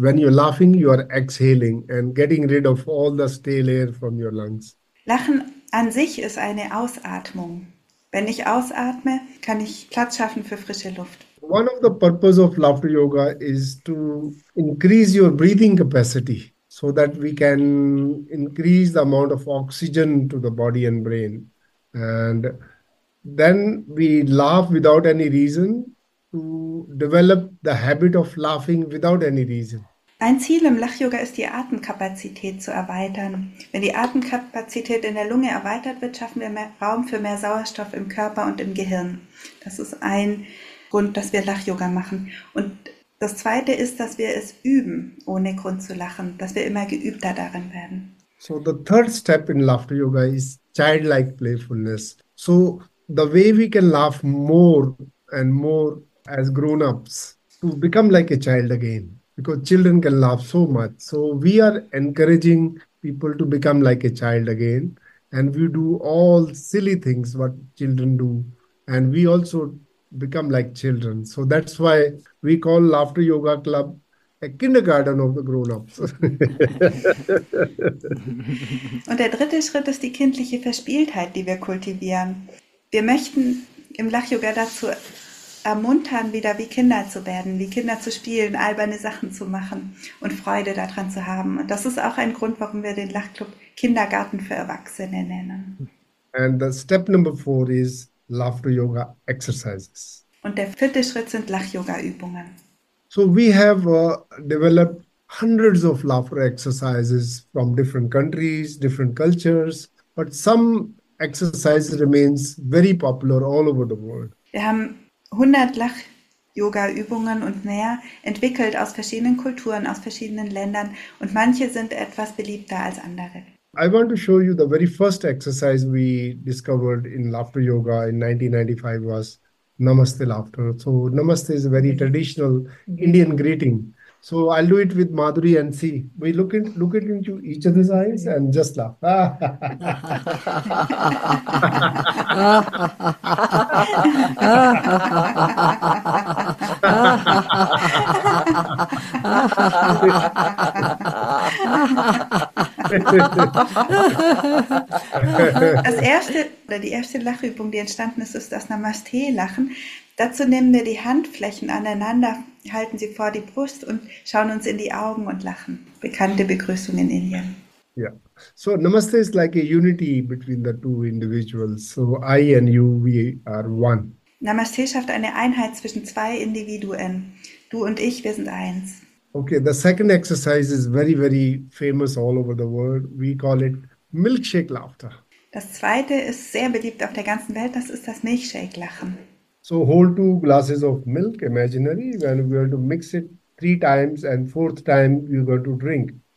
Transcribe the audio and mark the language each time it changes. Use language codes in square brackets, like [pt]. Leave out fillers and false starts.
[en] When you're laughing, you are exhaling and getting rid of all the stale air from your lungs. [de] Lachen an sich ist eine Ausatmung. Wenn ich ausatme, kann ich Platz schaffen für frische Luft. [en] One of the purpose of laughter yoga is to increase your breathing capacity, so that we can increase the amount of oxygen to the body and brain. And then we laugh without any reason to develop the habit of laughing without any reason. [de] Ein Ziel im Lach-Yoga ist, die Atemkapazität zu erweitern. Wenn die Atemkapazität in der Lunge erweitert wird, schaffen wir mehr Raum für mehr Sauerstoff im Körper und im Gehirn. Das ist ein Grund, dass wir Lach-Yoga machen. Und das zweite ist, dass wir es üben, ohne Grund zu lachen, dass wir immer geübter darin werden. [en] So the third step in laughter yoga is childlike playfulness. So the way we can laugh more and more as grown-ups, to become like a child again, because children can laugh so much. So we are encouraging people to become like a child again, and we do all silly things what children do, and we also become like children. So that's why we call Laughter Yoga Club a kindergarten of the grown-ups. [de] Und der dritte Schritt ist die kindliche Verspieltheit, die wir kultivieren. Wir möchten im Lach-Yoga dazu ermuntern, wieder wie Kinder zu werden, wie Kinder zu spielen, alberne Sachen zu machen und Freude daran zu haben. Und das ist auch ein Grund, warum wir den Lachclub Kindergarten für Erwachsene nennen. [en] And the step number four is laughter yoga exercises. [de] Und der vierte Schritt sind Lach-Yoga-Übungen. [en] So we have developed hundreds of laughter exercises from different countries, different cultures, but some exercises remains very popular all over the world. [de] Wir haben 100 Lach-Yoga-Übungen und mehr entwickelt aus verschiedenen Kulturen, aus verschiedenen Ländern, und manche sind etwas beliebter als andere. [en] I want to show you the very first exercise we discovered in laughter yoga in 1995 was namaste laughter. So namaste is a very traditional Indian greeting. So I'll do it with Madhuri and see. We look into each other's eyes and just laugh. [de] Das erste oder die erste Lachübung, die entstanden ist, ist das Namaste-Lachen. Dazu nehmen wir die Handflächen aneinander, halten sie vor die Brust und schauen uns in die Augen und lachen. Bekannte Begrüßung in Indien. [en] Ja, so Namaste is like a unity between the two individuals. So I and you, we are one. [de] Namaste schafft eine Einheit zwischen zwei Individuen. Du und ich, wir sind eins. [en] Okay, the second exercise is very, very famous all over the world. We call it milkshake laughter. [de] Das zweite ist sehr beliebt auf der ganzen Welt, das ist das Milchshake-Lachen. [en] So hold two glasses of milk, imaginary, and we're going to mix it three times, and fourth time you're going to drink.